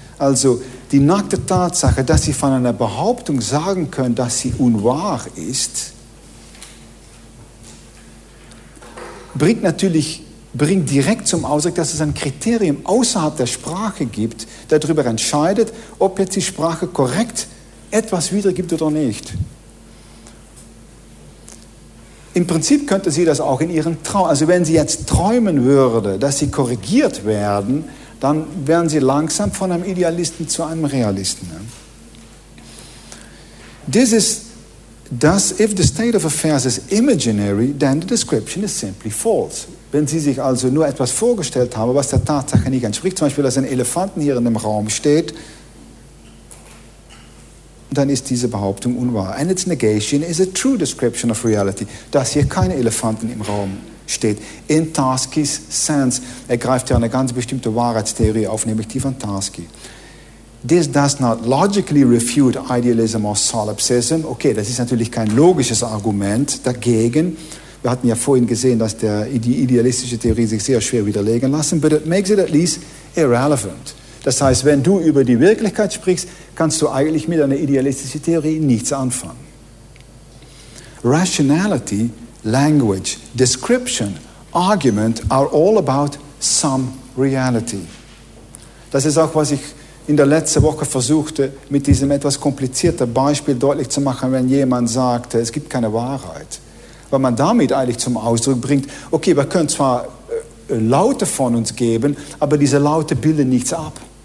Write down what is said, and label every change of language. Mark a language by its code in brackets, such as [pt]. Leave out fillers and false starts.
[de] Also die nackte Tatsache, dass Sie von einer Behauptung sagen können, dass sie unwahr ist, bringt direkt zum Ausdruck, dass es ein Kriterium außerhalb der Sprache gibt, der darüber entscheidet, ob jetzt die Sprache korrekt etwas wiedergibt oder nicht. Im Prinzip könnte sie das auch in ihren Traum, also wenn sie jetzt träumen würde, dass sie korrigiert werden, dann werden Sie langsam von einem Idealisten zu einem Realisten. [en] This is thus, if the state of affairs is imaginary, then the description is simply false. [de] Wenn Sie sich also nur etwas vorgestellt haben, was der Tatsache nicht entspricht, zum Beispiel, dass ein Elefanten hier in dem Raum steht, dann ist diese Behauptung unwahr. [en] And its negation is a true description of reality, [de] dass hier keine Elefanten im Raum steht. [en] In Tarski's sense, [de] er greift ja eine ganz bestimmte Wahrheitstheorie auf, nämlich die von Tarski. [en] This does not logically refute idealism or solipsism. [de] Okay, das ist natürlich kein logisches Argument dagegen. Wir hatten ja vorhin gesehen, dass die idealistische Theorie sich sehr schwer widerlegen lassen, [en] but it makes it at least irrelevant. [de] Das heißt, wenn du über die Wirklichkeit sprichst, kannst du eigentlich mit einer idealistischen Theorie nichts anfangen. [en] Rationality, language, description, argument are all about some reality. [de] Das ist auch, was ich in der letzten Woche versuchte, mit diesem etwas komplizierten Beispiel deutlich zu machen, wenn jemand sagt, es gibt keine Wahrheit. Weil man damit eigentlich zum Ausdruck bringt, okay, wir können zwar Laute von uns geben, aber diese Laute bilden nichts ab.